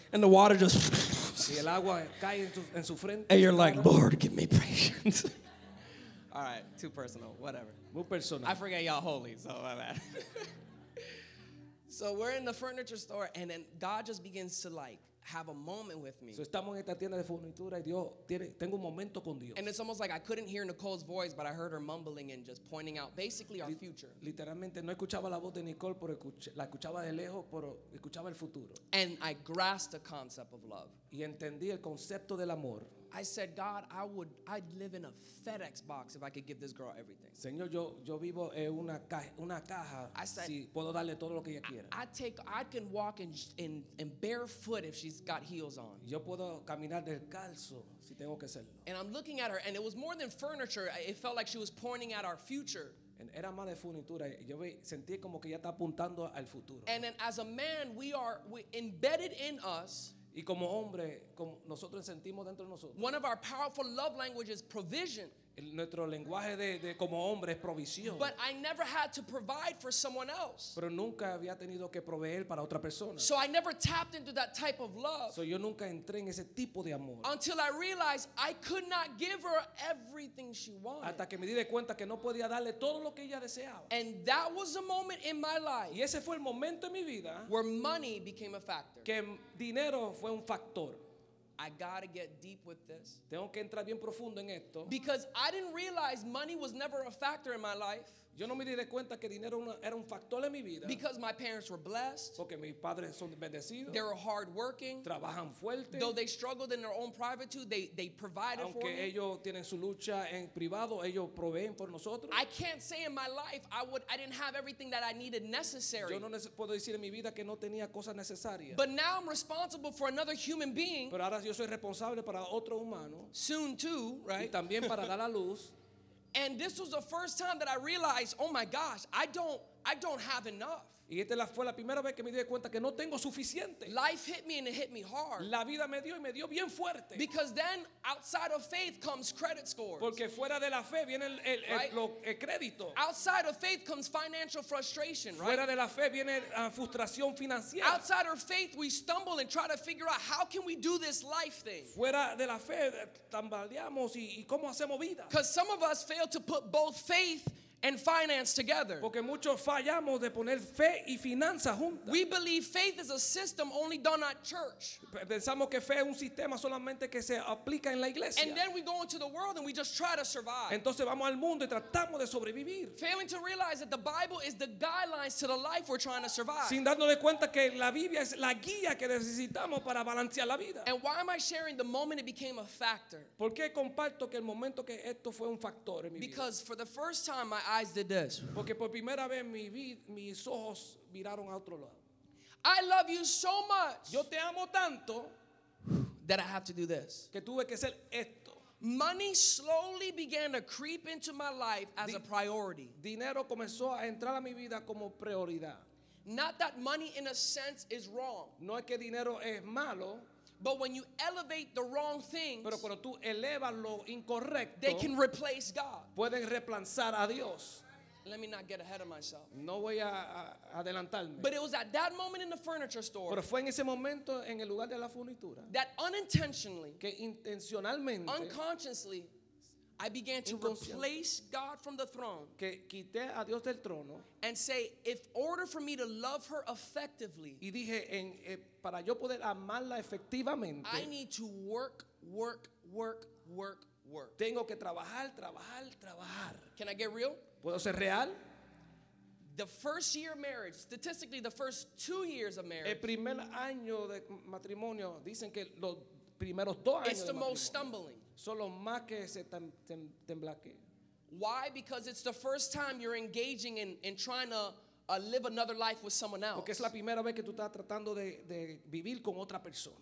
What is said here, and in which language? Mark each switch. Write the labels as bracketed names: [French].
[English] And the water just [Spanish] y el agua cae en su frente. [English] And you're like, Lord, give me patience. All right, too personal, whatever. [Spanish] Muy personal. [English] I forget y'all holy, so my bad. So we're in the furniture store, and then God just begins to like have a moment with me. [Spanish] So estamos en esta tienda de furnitura y Dios tiene, tengo un momento con Dios. [English] And it's almost like I couldn't hear Nicole's voice, but I heard her mumbling and just pointing out basically our future. [Spanish] Literalmente no escuchaba la voz de Nicole, pero la escuchaba de lejos, pero escuchaba el futuro. [English] And I grasped the concept of love. [Spanish] Y entendí el concepto del amor. [English] I said, God, I'd live in a FedEx box if I could give this girl everything. [Spanish] Señor, yo vivo en una caja. [English] I said, [Spanish] si puedo darle todo lo que ella quiera. [English] I can walk in barefoot if she's got heels on. [Spanish] Yo puedo caminar descalzo si tengo que hacerlo. [English] And I'm looking at her, and it was more than furniture. It felt like she was pointing at our future. [Spanish] Era más de furnitura. Yo sentí como que ella está apuntando al futuro. [English] And then, as a man, we're embedded in us. [Spanish] Y como hombre, como nosotros sentimos dentro de nosotros. [English] One of our powerful love languages, provision. [Spanish] Nuestro lenguaje de como hombre es provisión. [English] But I never had to provide for someone else. [Spanish] Pero nunca había tenido que proveer para otra persona. [English] So I never tapped into that type of love. [Spanish] So yo nunca entré en ese tipo de amor. [English] Until I realized I could not give her everything she wanted. [Spanish] Hasta que me di de cuenta que no podía darle todo lo que ella deseaba. [English] And that was a moment in my life. [Spanish] Y ese fue el momento en mi vida. [English] Where money became a factor. [Spanish] Que dinero fue un factor. [English] I gotta get deep with this. [Spanish] Tengo que entrar bien profundo en esto. [English] Because I didn't realize money was never a factor in my life. [Spanish] Yo no me di de cuenta que dinero era un factor en mi vida. [English] Because my parents were blessed. [Spanish] Porque mis padres son bendecidos. [English] They were hard working. [Spanish] Trabajan fuerte. [English] Though they struggled in their own privitude, they provided [Spanish] aunque [English] for me. [Spanish] Ellos tienen su lucha en privado, ellos proveen por nosotros. [English] I can't say in my life I didn't have everything that I needed necessary. [Spanish] Yo no puedo decir en mi vida que no tenía cosas necesarias. [English] But now I'm responsible for another human being. [Spanish] Pero ahora yo soy responsable para otro humano. [English] Soon too, right? [Spanish] Y también para dar a luz. [English] And this was the first time that I realized, oh my gosh, I don't have enough. [Spanish] Y esta fue la primera vez que me di cuenta que no tengo suficiente. [English] Life hit me and it hit me hard. [Spanish] La vida me dio y me dio bien fuerte. [English] Because then outside of faith comes credit scores. [Spanish] Porque fuera de la fe viene el crédito. [English] Outside of faith comes financial frustration, right? [Spanish] Fuera de la fe viene frustración financiera. [English] Outside of faith we stumble and try to figure out how can we do this life thing. [Spanish] Fuera de la fe tambaleamos y cómo hacemos vida. [English] Because some of us fail to put both faith and finance together. [Spanish] Porque muchos fallamos de poner fe y finanzas juntas. [English] We believe faith is a system only done at church. [Spanish] Pensamos que fe es un sistema solamente que se aplica en la iglesia. [English] And then we go into the world and we just try to survive. [Spanish] Entonces vamos al mundo y tratamos de sobrevivir. [English] Failing to realize that the Bible is the guidelines to the life we're trying to survive. [Spanish] Sin darnos cuenta que la Biblia es la guía que necesitamos para balancear la vida. [English] And why am I sharing the moment it became a factor? [Spanish] ¿Por qué comparto que el momento que esto fue un factor en mi [English] because [Spanish] vida? [English] For the first time my eyes did this. [Spanish] Porque por primera vez mis ojos miraron a otro lado. [English] I love you so much. [Spanish] Yo te amo tanto [English] that I have to do this. [Spanish] Que tuve que hacer esto. [English] Money slowly began to creep into my life as a priority. [Spanish] Dinero comenzó a entrar a mi vida como prioridad. [English] Not that money in a sense is wrong. [Spanish] No es que dinero es malo. [English] But when you elevate the wrong things, [Spanish] pero cuando tú elevas lo incorrecto, [English] they can replace God. [Spanish] Pueden reemplazar a Dios. [English] Let me not get ahead of myself. [Spanish] No voy a adelantarme. [English] But it was at that moment in the furniture store, [Spanish] pero fue en ese momento en el lugar de la furnitura, [English] that unintentionally, [Spanish] que intencionalmente, [English] unconsciously, I began to replace God from the throne, [Spanish] que quité a Dios del trono, [English] and say, if order for me to love her effectively, [Spanish] y dije, para yo poder amarla efectivamente, [English] I need to work, work, work, work, work. [Spanish] Tengo que trabajar, trabajar, trabajar. [English] Can I get real? [Spanish] ¿Puedo ser real? [English] The first year of marriage, statistically, the first 2 years of marriage, [Spanish] el primer año de matrimonio, dicen que los primeros 2 años, [English] it's the most stumbling. [Spanish] Solo más que se temblaque. [English] Why? Because it's the first time you're engaging in trying to live another life with someone else. [Spanish] Porque es la primera vez que tú estás tratando de vivir con otra persona.